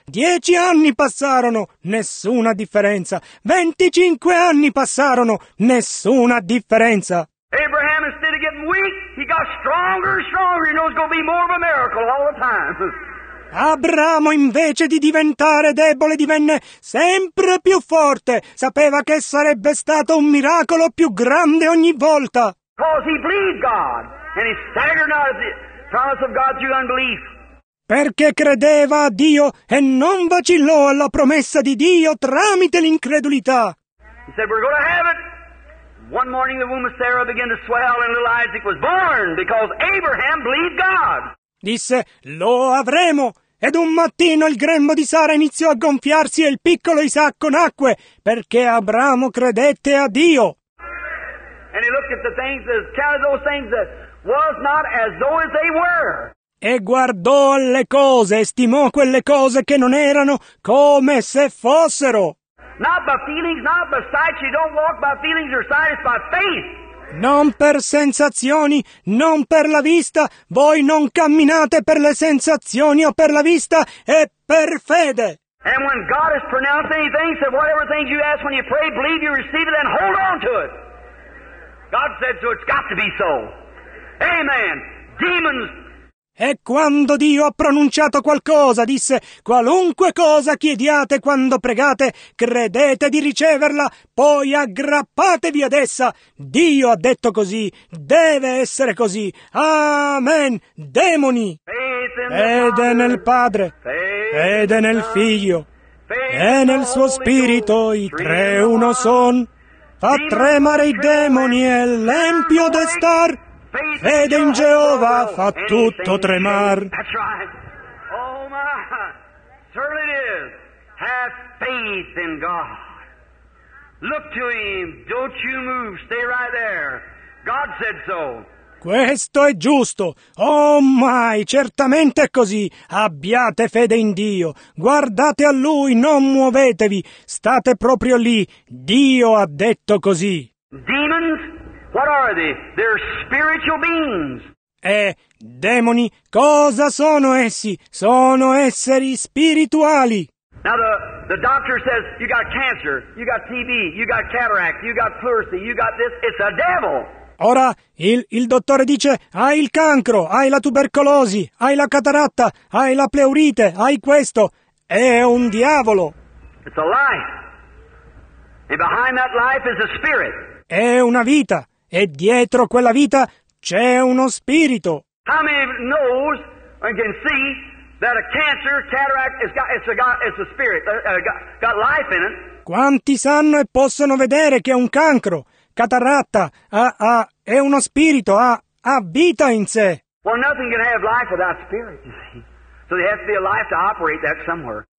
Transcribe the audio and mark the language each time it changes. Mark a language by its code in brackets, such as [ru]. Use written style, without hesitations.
[it] 10 anni passarono, nessuna differenza. 25 anni passarono, nessuna differenza. [en] Abraham, instead of getting weak, he got stronger and stronger. He knows it's going to be more of a miracle all the time. [it] Abramo, invece di diventare debole, divenne sempre più forte. Sapeva che sarebbe stato un miracolo più grande ogni volta. [en] Because he believed God, and he staggered out of it. Promise of God through unbelief. [it] Perché credeva a Dio e non vacillò alla promessa di Dio tramite l'incredulità. [en] He said, we're going to have it. One morning the womb of Sarah began to swell and little Isaac was born because Abraham believed God. [it] Disse, lo avremo. Ed un mattino il grembo di Sara iniziò a gonfiarsi e il piccolo Isacco nacque perché Abramo credette a Dio. [en] And he looked at the things, counted those things that was not as though as they were. [it] E guardò alle cose, stimò quelle cose che non erano come se fossero. [en] Not by feelings, not by sight. You don't walk by feelings or sight, it's by faith. [it] Non per sensazioni, non per la vista. Voi non camminate per le sensazioni o per la vista, è per fede. [en] And when God has pronounced anything, said whatever things you ask when you pray, believe you receive it and hold on to it. God said so, it's got to be so. Amen. Demons. [it] E quando Dio ha pronunciato qualcosa, disse, qualunque cosa chiediate quando pregate, credete di riceverla, poi aggrappatevi ad essa. Dio ha detto così, deve essere così. Amen. Demoni. Fede nel Padre. Fede nel Figlio. E nel suo Spirito, i tre uno son. Fa tremare i demoni e l'empio destar. Fede in Geova fa tutto tremar. [en] That's right. Oh my. Certainly it is. Have faith in God. Look to Him. Don't you move. Stay right there. God said so. [it] Questo è giusto. [en] Oh my, [it] certamente è così. Abbiate fede in Dio. Guardate a Lui, non muovetevi. State proprio lì. Dio ha detto così. [en] Demons, what are they? They're spiritual beings. [it] Demoni, cosa sono essi? Sono esseri spirituali. [en] Now the doctor says, you got cancer, you got TB, you got cataract, you got pleurisy, you got this. It's a devil. [it] Ora, il dottore dice, hai il cancro, hai la tubercolosi, hai la cataratta, hai la pleurite, hai questo. È un diavolo. [en] It's a life. And behind that life is a spirit. [it] È una vita. E dietro quella vita c'è uno spirito. [en] How many knows and can see that a cancer, cataract, it's a spirit, got life in it? [it] Quanti sanno e possono vedere che è un cancro? Cataratta, è uno spirito, ha vita in sé. [en] Well, nothing can have life without spirit, you see. So there has to be a life to operate that somewhere.